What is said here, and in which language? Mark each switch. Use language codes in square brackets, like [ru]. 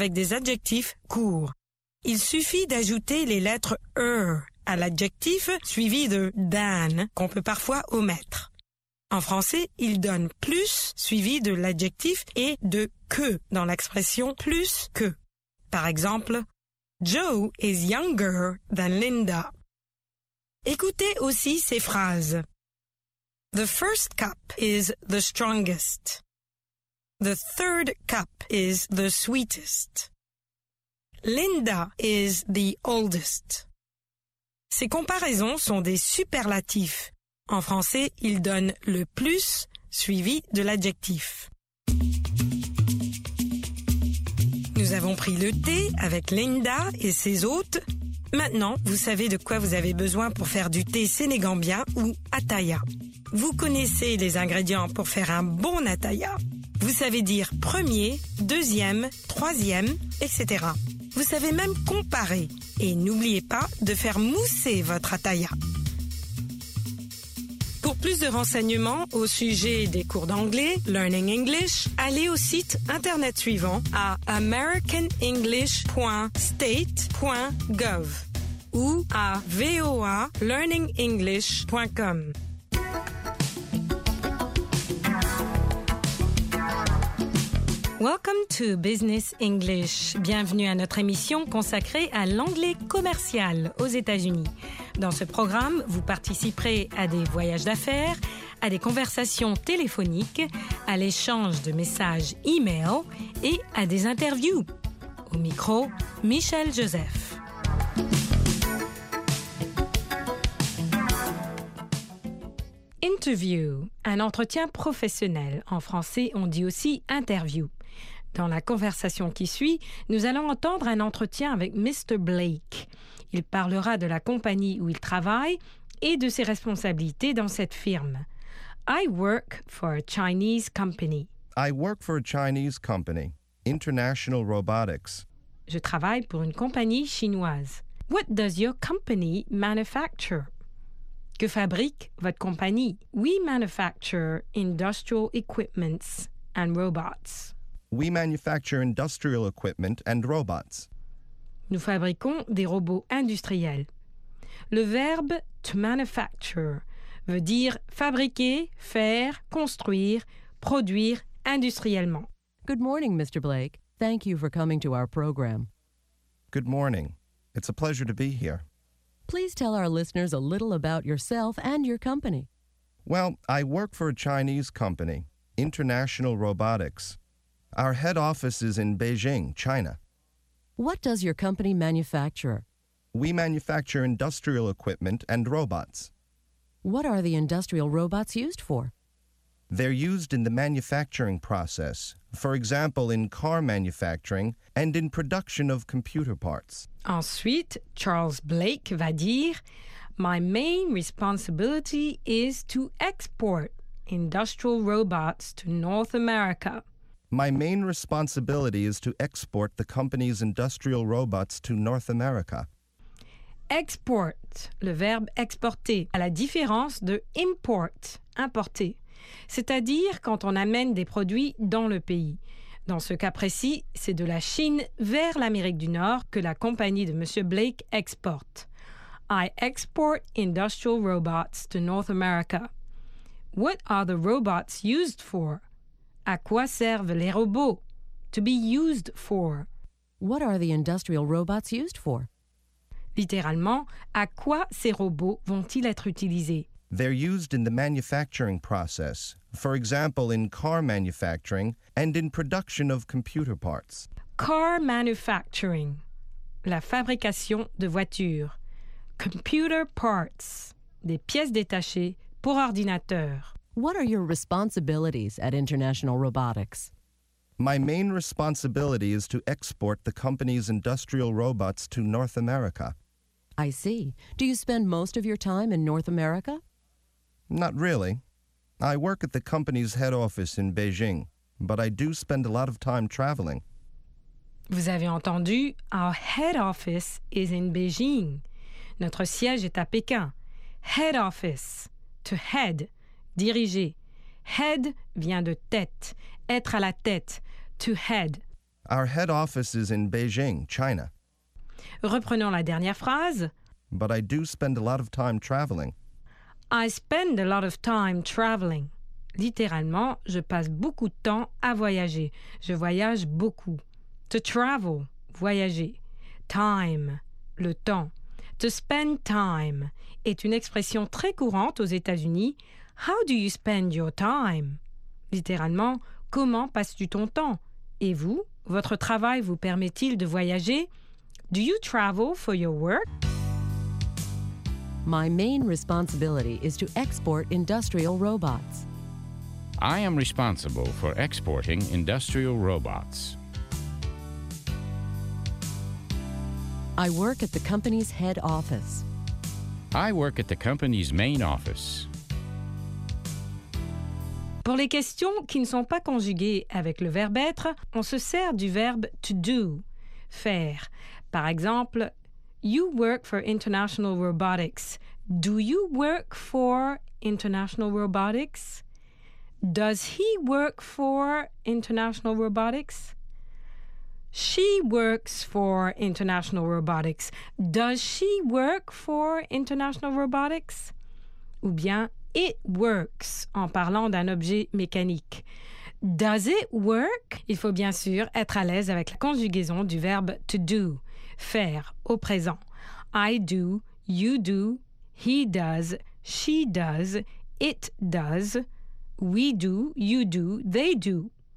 [fr] avec des adjectifs courts. Il suffit d'ajouter les lettres « er » à l'adjectif suivi de « than » qu'on peut parfois omettre. En français, il donne « plus » suivi de l'adjectif et de « que » dans l'expression « plus que ». Par exemple, [en] « Joe is younger than Linda ». [fr] Écoutez aussi ces phrases. [en] The first cup is the strongest. The third cup is the sweetest. Linda is the oldest. [fr] Ces comparaisons sont des superlatifs. En français, ils donnent le plus suivi de l'adjectif. Nous avons pris le thé avec Linda et ses hôtes. Maintenant, vous savez de quoi vous avez besoin pour faire du thé sénégambien ou ataya. Vous connaissez les ingrédients pour faire un bon ataya. Vous savez dire premier, deuxième, troisième, etc. Vous savez même comparer. Et n'oubliez pas de faire mousser votre ataya. Pour plus de renseignements au sujet des cours d'anglais, Learning English, allez au site internet suivant à americanenglish.state.gov ou à voalearningenglish.com. [en] Welcome to Business English. [fr] Bienvenue à notre émission consacrée à l'anglais commercial aux États-Unis. Dans ce programme, vous participerez à des voyages d'affaires, à des conversations téléphoniques, à l'échange de messages e-mail et à des interviews. Au micro, Michel Joseph. Interview, un entretien professionnel. En français, on dit aussi interview. Dans la conversation qui suit, nous allons entendre un entretien avec Mr. Blake. Il parlera de la compagnie où il travaille et de ses responsabilités dans cette firme. [en] I work for a Chinese company. I work for a Chinese company, International Robotics. [fr] Je travaille pour une compagnie chinoise. [en] What does your company manufacture? [fr] Que fabrique votre compagnie? [en] We manufacture industrial equipments and robots. We manufacture industrial equipment and robots. [fr] Nous fabriquons des robots industriels. Le verbe to manufacture veut dire fabriquer, faire, construire, produire industriellement. [en] Good morning, Mr. Blake. Thank you for coming to our program. Good morning. It's a pleasure to be here. Please tell our listeners a little about yourself and your company. Well, I work for a Chinese company, International Robotics. Our head office is in Beijing, China. What does your company manufacture? We manufacture industrial equipment and robots. What are the industrial robots used for? They're used in the manufacturing process, for example, in car manufacturing and in production of computer parts. [fr] Ensuite, Charles Blake va dire, [en] My main responsibility is to export industrial robots to North America. My main responsibility is to export the company's industrial robots to North America. [fr] Export, le verbe exporter, à la différence de import, importer, c'est-à-dire quand on amène des produits dans le pays. Dans ce cas précis, c'est de la Chine vers l'Amérique du Nord que la compagnie de M. Blake exporte. [en] I export industrial robots to North America. What are the robots used for? [fr] À quoi servent les robots? [en] To be used for. What are the industrial robots used for? [fr] Littéralement, à quoi ces robots vont-ils être utilisés? [en] They're used in the manufacturing process. For example, in car manufacturing and in production of computer parts. Car manufacturing. [fr] La fabrication de voitures. [en] Computer parts. [fr] Des pièces détachées pour ordinateur. [en] What are your responsibilities at International Robotics? My main responsibility is to export the company's industrial robots to North America. I see. Do you spend most of your time in North America? Not really. I work at the company's head office in Beijing, but I do spend a lot of time traveling. [fr] Vous avez entendu, [en] our head office is in Beijing. [fr] Notre siège est à Pékin. [en] Head office, to head. [fr] Diriger. Head vient de tête. Être à la tête. To head. [en] Our head office is in Beijing, China. [fr] Reprenons la dernière phrase. [en] But I do spend a lot of time traveling. I spend a lot of time traveling. [fr] Littéralement, je passe beaucoup de temps à voyager. Je voyage beaucoup. To travel, voyager. Time, le temps. To spend time est une expression très courante aux États-Unis. [en] How do you spend your time? [fr] Littéralement, comment passes-tu ton temps? Et vous, votre travail vous permet-il de voyager? [en] Do you travel for your work? My main responsibility is to export industrial robots. I am responsible for exporting industrial robots. I work at the company's head office. I work at the company's main office. [fr] Pour les questions qui ne sont pas conjuguées avec le verbe être, on se sert du verbe to do, faire. Par exemple, [en] you work for International Robotics. Do you work for International Robotics? Does he work for International Robotics? She works for International Robotics. Does she work for International Robotics? [fr] Ou bien, [en] it works, [fr] en parlant d'un objet mécanique. [en] Does it work? [fr] Il faut bien sûr être à l'aise avec la conjugaison du verbe to do, faire, au présent. [en] I do, you do, he does, she does, it does, we do, you do, they do.